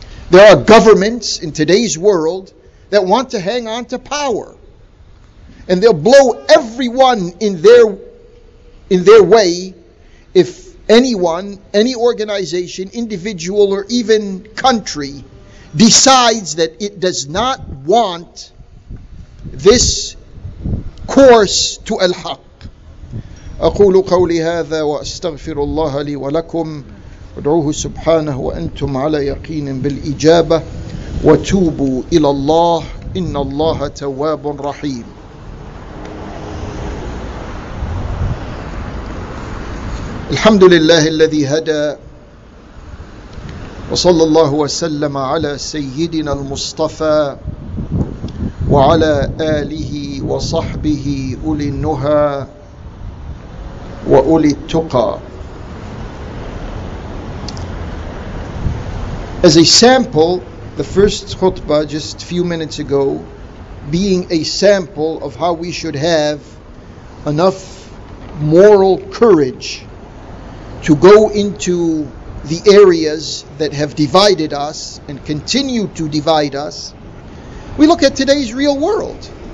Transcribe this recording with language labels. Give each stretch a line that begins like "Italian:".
English: There are governments in today's world that want to hang on to power, and they'll blow everyone in their way if anyone, any organization, individual, or even country decides that it does not want this course to al-haq.
Arabic: أقول قولي هذا وأستغفر الله لي ولكم وادعوه سبحانه وأنتم على يقين بالإجابة وتوبوا إلى الله إن الله تواب رحيم. الحمد لله الذي هدى وصلى الله وسلم على سيدنا المصطفى وعلى آله وصحبه أولي النهى وأولي التقى.
English: As a sample, the first khutbah just a few minutes ago, being a sample of how we should have enough moral courage to go into the areas that have divided us and continue to divide us, we look at today's real world.